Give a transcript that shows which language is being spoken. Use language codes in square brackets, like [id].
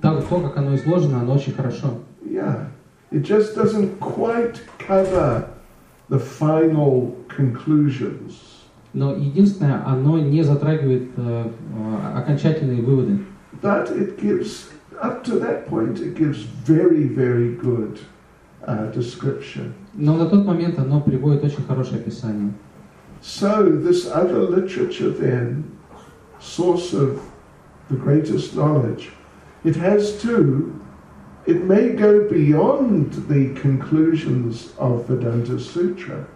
[ru] То, как оно изложено, оно очень хорошо. [en] Yeah, it just doesn't quite cover the final conclusions. [ru] Но единственное, оно не затрагивает окончательные выводы. [en] But it gives, up to that point, it gives very, very good description. [ru] Но на тот момент оно приводит очень хорошее описание. [en] So this other literature then, source of the greatest knowledge, it has to, it may go beyond the conclusions of Vedanta Sutra.